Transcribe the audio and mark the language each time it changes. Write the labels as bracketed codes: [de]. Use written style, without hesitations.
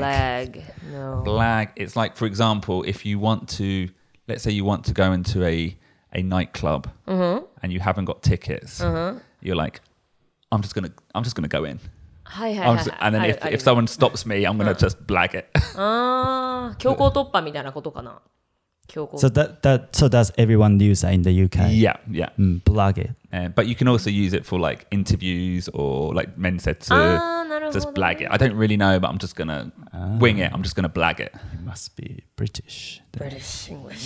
[en] Blag, no. Blag, it's like, for example, if you want to, let's say you want to go into a nightclub, and you haven't got tickets. You're like, I'm just gonna go in. And then if someone stops me, I'm gonna just blag it. [ja] Ah, 強行突破みたいなことかな。 [en] So does everyone use that in the UK? Yeah. Blag it. But you can also use it for like interviews or like mensetsu. Just blag it. I don't really know, but I'm just gonna wing it. I'm just gonna blag it. It must be British. British English.